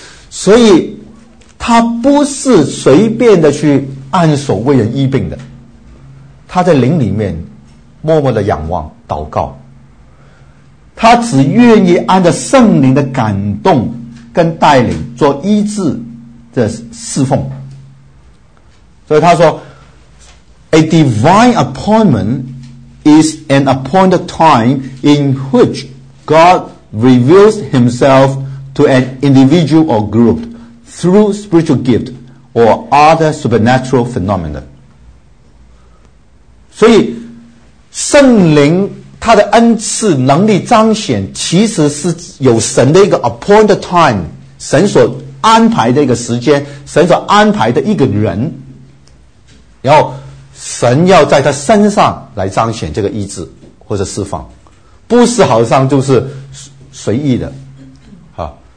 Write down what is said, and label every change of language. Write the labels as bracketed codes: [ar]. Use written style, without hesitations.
[zh] 所以他不是随便的去按手为人医病的，他在灵里面默默的仰望祷告，他只愿意按着圣灵的感动跟带领做医治的侍奉。所以他说 [en] A divine appointment is an appointed time in which God reveals himself to an individual or group through spiritual gift or other supernatural phenomena。 [zh] 所以圣灵他的恩赐能力彰显，其实是有神的一个 appointed time， 神所安排的一个时间，神所安排的一个人，然后神要在他身上来彰显这个医治或者释放，不是好像就是随意的啊。